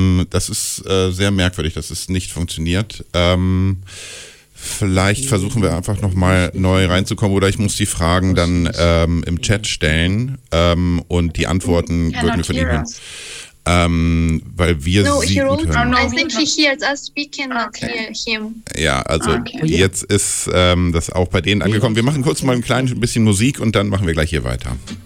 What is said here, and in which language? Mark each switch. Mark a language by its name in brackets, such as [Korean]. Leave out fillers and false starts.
[German] Das ist sehr merkwürdig, dass es nicht funktioniert. Vielleicht versuchen wir einfach nochmal neu reinzukommen oder ich muss die Fragen dann im Chat stellen und die Antworten würden wir von ihm hören. Weil wir sie gut hören. [English] No, I think he hears us, we cannot hear him. [German] Ja, also jetzt ist das auch bei denen angekommen. Wir machen kurz mal ein kleines bisschen Musik und dann machen wir gleich hier weiter.